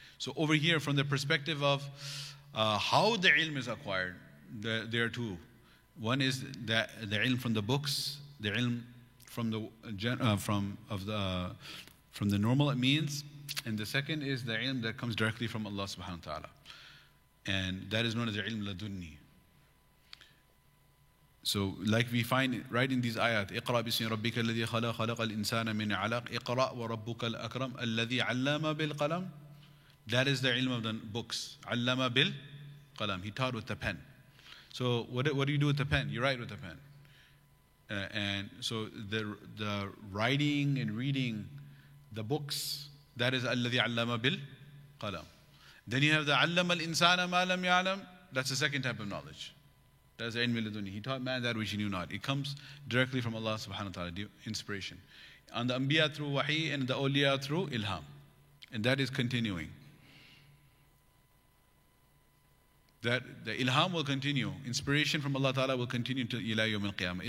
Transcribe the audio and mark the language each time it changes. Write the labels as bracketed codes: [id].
[en] So over here, from the perspective of how the ilm is acquired, there are two. One is the ilm from the books, the ilm from the normal means, and the second is the ilm that comes directly from Allah subhanahu wa ta'ala. And that is known as the ilm ladunni. So like we find right in these ayat, [ar] اقرأ بسم ربك الذي خلق خلق الإنسان من علق اقرأ وربك الأكرم الذي علم بالقلم. [en] That is the ilm of the books. [ar] علم بالقلم. [en] He taught with the pen. So what do you do with the pen? You write with the pen. And so the writing and reading the books, that is [ar] الذي علم بالقلم. [en] Then you have the [ar] علم الإنسان ما لم يعلم. [en] That's the second type of knowledge. That's the ilm al-laduni. He taught man that which he knew not. It comes directly from Allah subhanahu wa ta'ala, the inspiration. And the anbiya through wahi and the awliya through ilham. And that is continuing. That the ilham will continue. Inspiration from Allah ta'ala will continue to ila yawm al-qiyamah.